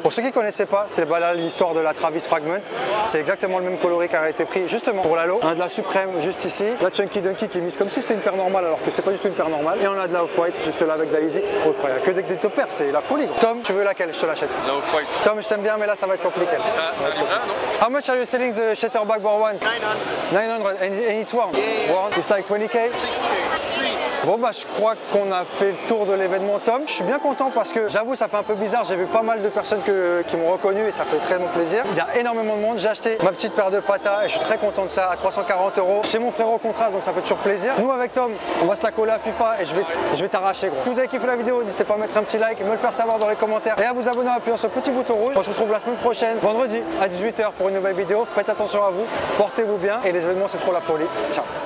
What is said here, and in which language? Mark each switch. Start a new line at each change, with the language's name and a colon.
French: Pour ceux qui ne connaissaient pas, c'est là l'histoire de la Travis Fragment. C'est exactement le même coloris qui a été pris justement pour la low. On a de la Supreme juste ici. La Chunky Dunky qui est mise comme si c'était une paire normale alors que c'est pas du tout une paire normale. Et on a de la Off-White juste là avec de la Easy. Au oh, que des top pairs, c'est la folie. Quoi. Tom, tu veux laquelle? Je te l'achète. La Off-White. Tom, je t'aime bien, mais là ça va être compliqué.
English: How much are you selling the Shatterback Board ones? 900. 900 and it's warm. Yeah, yeah. Warm. It's like 20k? 6k.
French: Bon bah je crois qu'on a fait le tour de l'événement Tom. Je suis bien content parce que j'avoue ça fait un peu bizarre. J'ai vu pas mal de personnes qui m'ont reconnu et ça fait très bon plaisir. Il y a énormément de monde. J'ai acheté ma petite paire de Pata et je suis très content de ça à 340 euros. Chez mon frère au Contraste donc ça fait toujours plaisir. Nous avec Tom on va se la coller à FIFA et je vais t'arracher gros. Si vous avez kiffé la vidéo n'hésitez pas à mettre un petit like, me le faire savoir dans les commentaires et à vous abonner en appuyant sur le petit bouton rouge. On se retrouve la semaine prochaine vendredi à 18h pour une nouvelle vidéo. Faites attention à vous, portez-vous bien et les événements c'est trop la folie. Ciao.